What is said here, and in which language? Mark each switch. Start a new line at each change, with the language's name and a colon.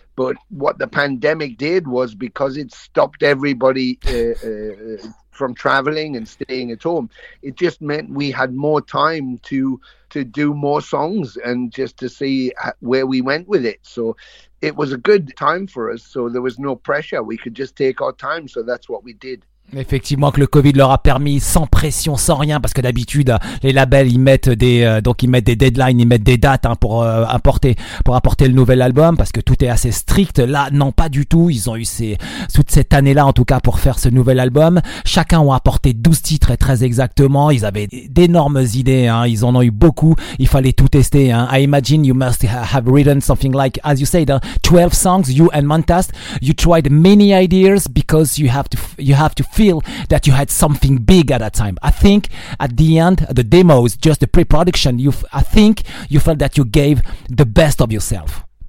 English: But what the pandemic did was, because it stopped everybody from traveling and staying at home, it just meant we had more time to do more songs and just to see where we went with it. So it was a good time for us, so there was no pressure. We could just take our time, so that's what we did.
French: Effectivement que le Covid leur a permis, sans pression, sans rien, parce que d'habitude les labels ils mettent des deadlines, ils mettent des dates, hein, pour apporter le nouvel album, parce que tout est assez strict. Là non, pas du tout, ils ont eu toute cette année là en tout cas pour faire ce nouvel album. Chacun ont apporté 12 titres, et très exactement, ils avaient d'énormes idées, hein, ils en ont eu beaucoup, il fallait tout tester, hein.
English: I imagine you must have written something like, as you said, 12 songs, you and Mantas, you tried many ideas because you have to feel that you had something big at that time. I think at the end, the demos, just the pre-production, I think you felt that you gave the best of yourself.